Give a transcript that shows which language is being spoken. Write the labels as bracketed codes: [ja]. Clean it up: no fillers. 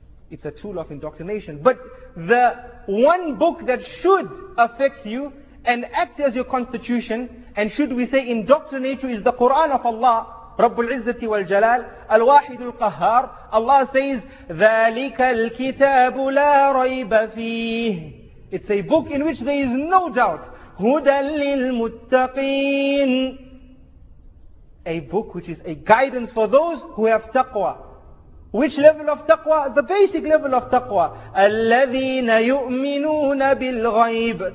[en] It's a tool of indoctrination. But the one book that should affect you and act as your constitution, and should we say indoctrinate you, is the Quran of Allah, Rabbul Izzati wal Jalal, Al Wahidul Qahhar. Allah says, [ar] ذَلِكَ الْكِتَابُ لَا رَيْبَ فِيهِ. [en] It's a book in which there is no doubt. [ar] هُدًى لِلْمُتَّقِينَ. [en] A book which is a guidance for those who have taqwa. Which level of taqwa? The basic level of taqwa. [ar] الَّذِينَ يُؤْمِنُونَ بِالْغَيْبِ.